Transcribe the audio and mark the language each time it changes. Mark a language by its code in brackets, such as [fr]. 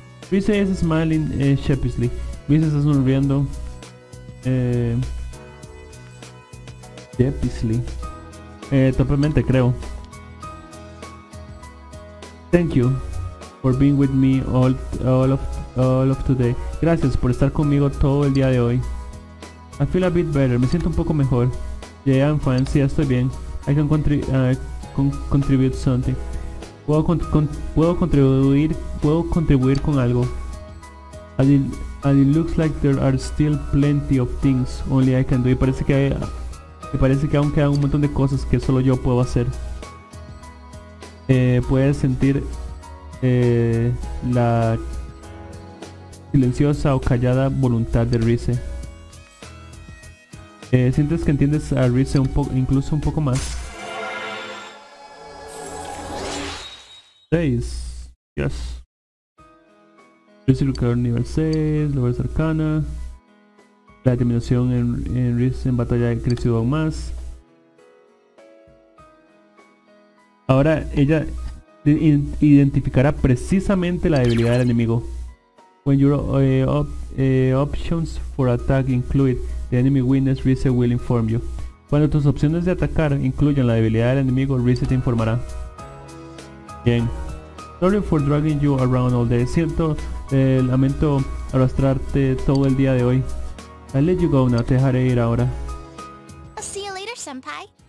[en] Reese is smiling sheepishly. [es] Reese está sonriendo. Sheepishly. Torpemente, creo. [en] Thank you for being with me all of today. [es] Gracias por estar conmigo todo el día de hoy. [en] I feel a bit better. [es] Me siento un poco mejor. [en] Yeah, I'm fine. [es] Sí, estoy bien. [en] I can contribute something. [es] Puedo contribuir con algo. [en] And it looks like there are still plenty of things only I can do. [es] Y parece que aún quedan un montón de cosas que solo yo puedo hacer. Puedes sentir la silenciosa o callada voluntad de Reese. Sientes que entiendes a Reese incluso un poco más. 6. Yes. Reese recuerda nivel 6, lugar cercana. La determinación en Reese en batalla ha crecido aún más. Ahora ella identificará precisamente la debilidad del enemigo. [en] When your options for attack include the enemy weakness, Reese will inform you. [es] Cuando tus opciones de atacar incluyan la debilidad del enemigo, Reese te informará. [en] Bien. Sorry for dragging you around all day. [es] Lamento arrastrarte todo el día de hoy. [en] I let you go now. [es] Te dejaré ir ahora. [en] I'll see you later, senpai.